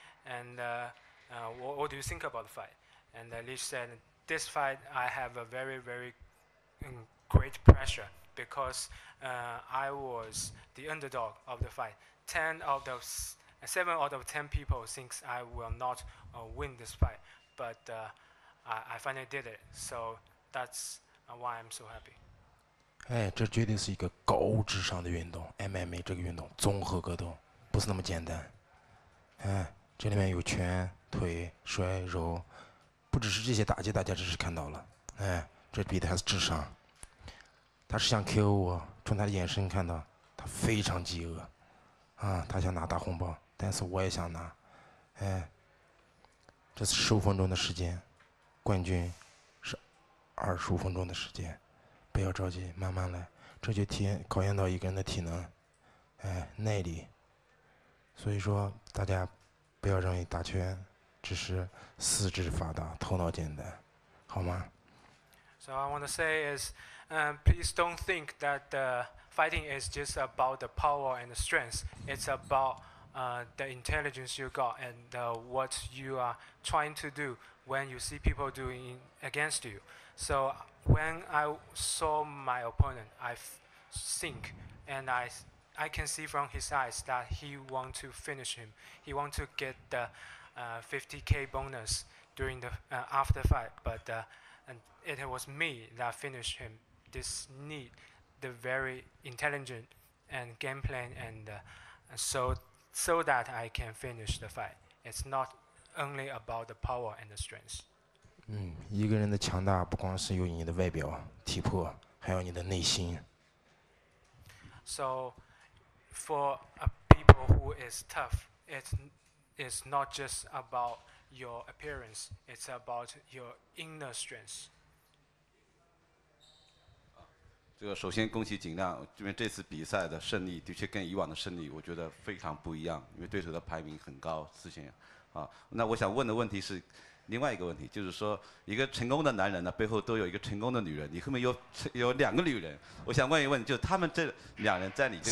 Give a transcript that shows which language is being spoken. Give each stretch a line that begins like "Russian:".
English: And what do you think about the fight? And Leech said, this fight, I have a very, very great pressure because I was the underdog of the fight. 7 out of 10 people thinks I will not win this fight, but I finally did it. So that's why I'm so happy.
Chinese: 哎，这绝对是一个高智商的运动 ，MMA 这个运动，综合格斗不是那么简单。哎，这里面有拳、腿、摔、揉，不只是这些打击，大家只是看到了。哎，这比的还是智商。他是想 KO 我，从他的眼神看到，他非常饥饿。啊，他想拿大红包，但是我也想拿。哎，这是十五分钟的时间，冠军是25分钟的时间。不要着急，慢慢来，这就考验到一个人的体能，哎，耐力。所以说，大家不要认为打拳只是四肢发达，头脑简单，好吗
English: ？So I want to say is, please don't think that fighting is just about the power and the strength. It's about the intelligence you got and what you are trying to do when you see people doing against you. So. When I saw my opponent, I think, and I can see from his eyes that he want to finish him. He want to get the 50K bonus during the after fight. But and it was me that finished him. This need the very intelligent and game plan, and so that I can finish the fight. It's not only about the power and the strength.
Chinese: 嗯，一个人的强大不光是有你的外表体魄，还有你的内心。
English: So, for a people who is tough, it's not just about your appearance, it's about your inner strength.
Chinese: 这个首先恭喜景亮，因为这次比赛的胜利的确跟以往的胜利，我觉得非常不一样，因为对手的排名很高，之前啊，那我想问的问题是。另外一个问题就是说，一个成功的男人呢，背后都有一个成功的女人。你后面有两个女人，我想问一问，就他们这两人在你这